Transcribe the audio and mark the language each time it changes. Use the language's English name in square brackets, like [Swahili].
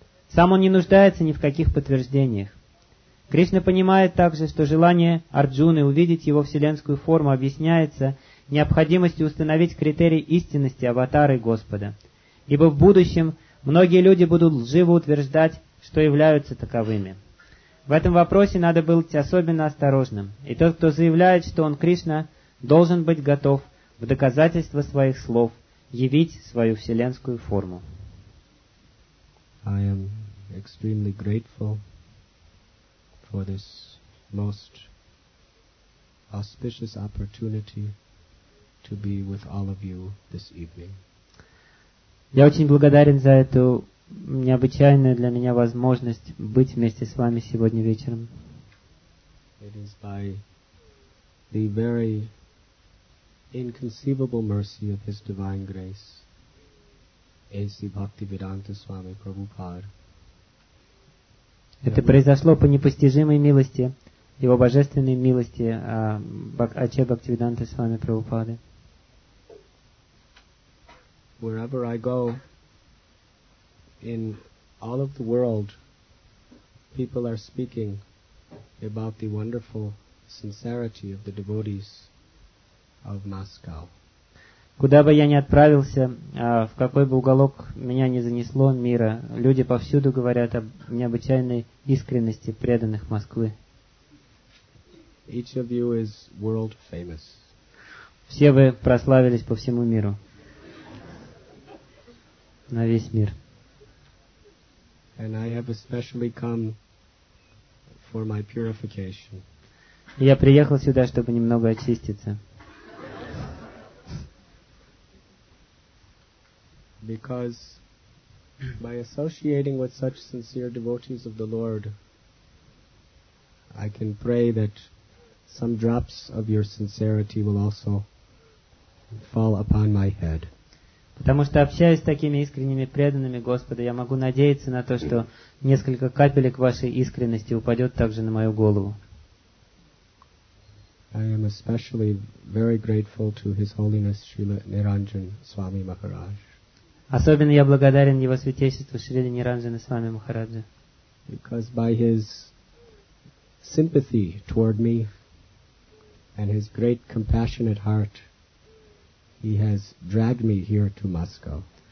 [Russian] Сам он не нуждается ни в каких подтверждениях. Кришна понимает также, что желание Арджуны увидеть его вселенскую форму объясняется необходимостью установить критерий истинности аватары Господа, ибо в будущем многие люди будут лживо утверждать, что являются таковыми. В этом вопросе надо быть особенно осторожным, и тот, кто заявляет, что он Кришна, должен быть готов в доказательство своих слов явить свою вселенскую форму. [English] I am extremely grateful for this most auspicious opportunity to be with all of you this evening. [Russian] Я очень благодарен за эту необычайную для меня возможность быть вместе с вами сегодня вечером. [English] It is by the very inconceivable mercy of His divine grace, A.C. Bhaktivedanta Swami Prabhupada. [Russian] Это произошло по непостижимой милости, его божественной милости, Ача Бхактивиданта Свами Прабхупады. [English] Wherever I go in all of the world, people are speaking about the wonderful sincerity of the devotees of Moscow. [Russian] Куда бы я ни отправился, в какой бы уголок меня ни занесло мира, люди повсюду говорят об необычайной искренности преданных Москвы. [English] Each of you is world famous. [Russian] Все вы прославились по всему миру. На весь мир. [English] And I have especially come for my purification. [Russian] Я приехал сюда, чтобы немного очиститься. [English] Because by associating with such sincere devotees of the Lord, I can pray that some drops of your sincerity will also fall upon my head. [Russian] Потому что, общаясь с такими искренними преданными Господа, я могу надеяться на то, что несколько капелек вашей искренности упадет также на мою голову. [English] I am especially very grateful to His Holiness Srila Niranjan Swami Maharaj. [Russian] Особенно я благодарен Его Святейшеству Шриле Ниранджана Свами Махараджа. [English] Because by His sympathy toward me and His great compassionate heart, He has dragged me here to Moscow.